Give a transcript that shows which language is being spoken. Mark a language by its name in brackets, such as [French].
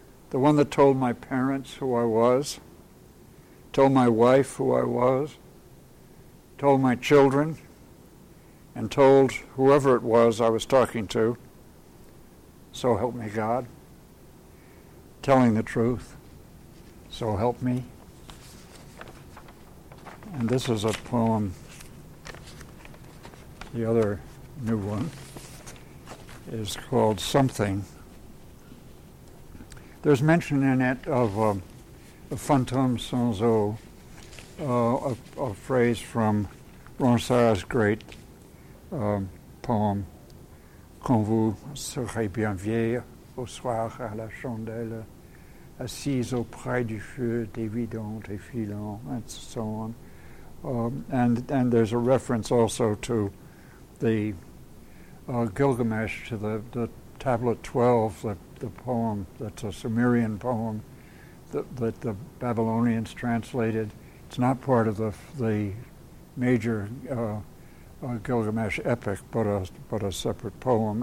[English] The one that told my parents who I was, told my wife who I was, told my children, and told whoever it was I was talking to. So help me God. Telling the truth. So help me. And this is a poem, the other new one, is called Something. There's mention in it of a [French] fantôme sans eau, [English] a phrase from Ronsard's great poem, [French] Quand vous serez bien vieille au soir à la chandelle, assise auprès du feu, dévidant et filant, [English] and so on. And there's a reference also to the Gilgamesh, to the Tablet 12, the poem that's a Sumerian poem that the Babylonians translated. It's not part of the major Gilgamesh epic, but a separate poem.